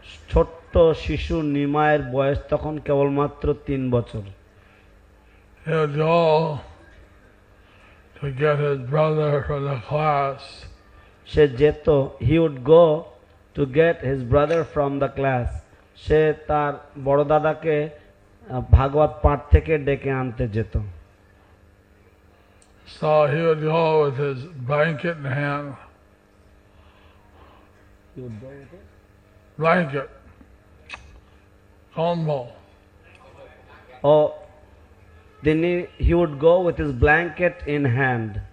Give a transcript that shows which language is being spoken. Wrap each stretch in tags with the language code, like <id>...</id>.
<bn>Chotto shishu Nimai boyos tokhon kebol matro 3 bochor.</bn> <en>He would go to get his brother from the class.</en> <bn>সে যেত,</bn> <en>he would go to get his brother from the class.</en> <bn>সে তার বড় দাদাকে ভাগবত পাঠ থেকে ডেকে আনতে যেত.</bn> <en>So he would go with his blanket in hand. He would go with it? Blanket. Kombol. Oh, then he would go with his blanket in hand.</en>